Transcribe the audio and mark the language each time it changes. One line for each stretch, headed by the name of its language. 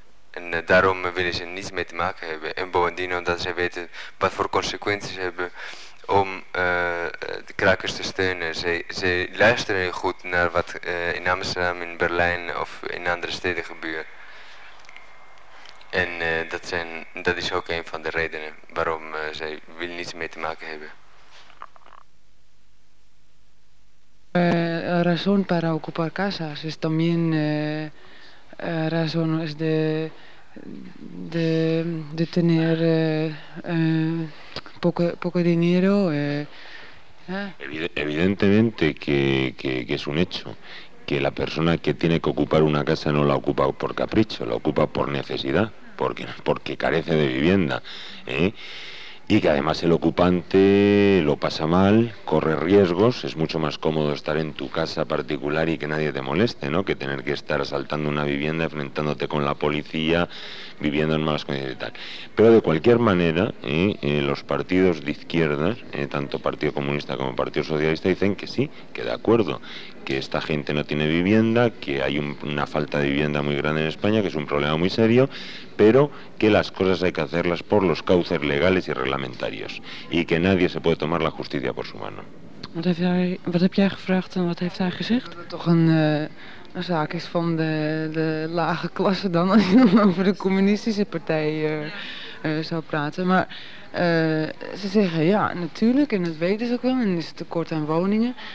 Dutch: En daarom willen ze niets mee te maken hebben. En bovendien omdat ze weten wat voor consequenties ze hebben om de krakers te steunen. Ze luisteren goed naar wat in Amsterdam, in Berlijn of in andere steden gebeurt. En dat is ook een van de redenen waarom zij willen niets mee te maken hebben.
Spanish: Razón para ocupar casas is también razón es de tener poco dinero. Evidentemente que es un hecho. Que la persona que tiene que ocupar una casa no la ocupa por capricho, la ocupa por necesidad, porque carece de vivienda, ¿eh? Y que además el ocupante lo pasa mal, corre riesgos, es mucho más cómodo estar en tu casa particular y que nadie te moleste, ¿no? Que tener que estar asaltando una vivienda, enfrentándote con la policía, viviendo en malas condiciones y tal. Pero de cualquier manera, los partidos de izquierdas, tanto Partido Comunista como Partido Socialista, dicen que sí, que de acuerdo, que esta gente no tiene vivienda, que hay una falta de vivienda muy grande en España, que es un problema muy serio, pero que las cosas hay que hacerlas por los cauces legales y reglamentarios y que nadie se puede tomar la justicia por su mano.
Dutch: Wat heb jij gevraagd en wat heeft hij gezegd? Dat toch een zaak is van de lage klasse dan als je dan over de communistische partij zou praten, maar ze zeggen ja, natuurlijk, en dat weten ze ook wel, en is het tekort aan woningen.